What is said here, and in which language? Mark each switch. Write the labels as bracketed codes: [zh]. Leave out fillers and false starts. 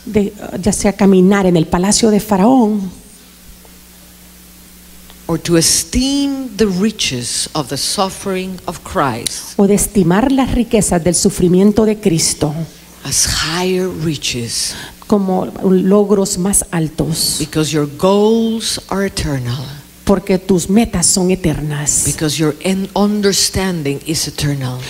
[es] De, ya sea caminar en el palacio de Faraón. [en] Or to esteem the riches of the suffering of Christ. [es] O de estimar las riquezas del sufrimiento de Cristo. [en] As higher riches. [es] Como logros más altos. [en] Because your goals are eternal. [es] Porque tus metas son eternas. [en] Because your understanding is eternal.